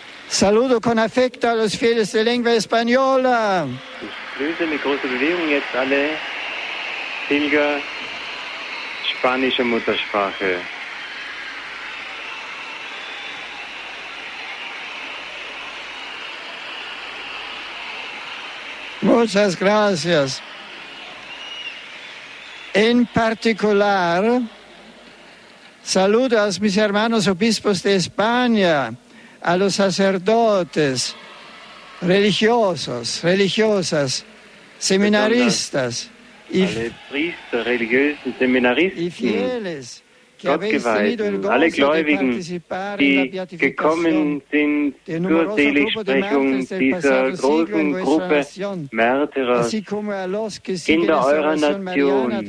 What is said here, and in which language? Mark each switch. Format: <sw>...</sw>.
<es>Saludo con affetto a los fieles de lengua española.</es> <de>Ich grüße mit großer Bewegung jetzt alle Pilger spanischer Muttersprache.</de> <es>Muchas gracias. En particular, saludo a mis hermanos obispos de España, a los sacerdotes, religiosos, religiosas, seminaristas,</es> <de>alle Priester, religiösen, Seminaristen, Gottgeweihten, alle Gläubigen, die gekommen sind zur Seligsprechung dieser großen Gruppe Märtyrer, Kinder eurer Nation.</de>